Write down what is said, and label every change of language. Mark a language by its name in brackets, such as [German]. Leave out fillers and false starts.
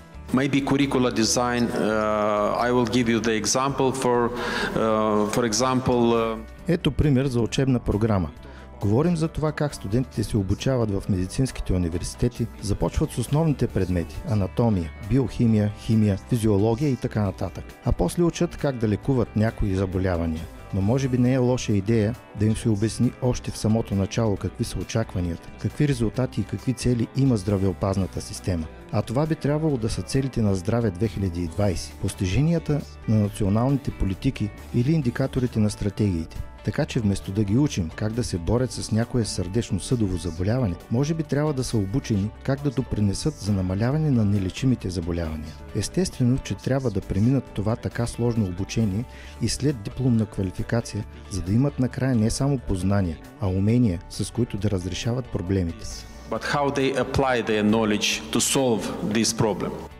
[English] Maybe curricula design, I will give you the example [Bulgarian] Ето пример за учебна програма. Говорим за това как студентите се обучават в медицинските университети, започват с основните предмети – анатомия, биохимия, химия, физиология и така нататък. А после учат как да лекуват някои заболявания. Но може би не е лоша идея да им се обясни още в самото начало какви са очакванията, какви резултати и какви цели има здравеопазната система. А това би трябвало да са целите на Здраве 2020, постиженията на националните политики или индикаторите на стратегиите. Така че вместо да ги учим как да се борят с някое сърдечно-съдово заболяване, може би трябва да са обучени как да допринесат за намаляване на нелечимите заболявания. Естествено, че трябва да преминат това така сложно обучение и след дипломна квалификация, за да имат накрая не само познания, а умения, с които да разрешават проблемите. [English] But how they apply their knowledge to solve this problem?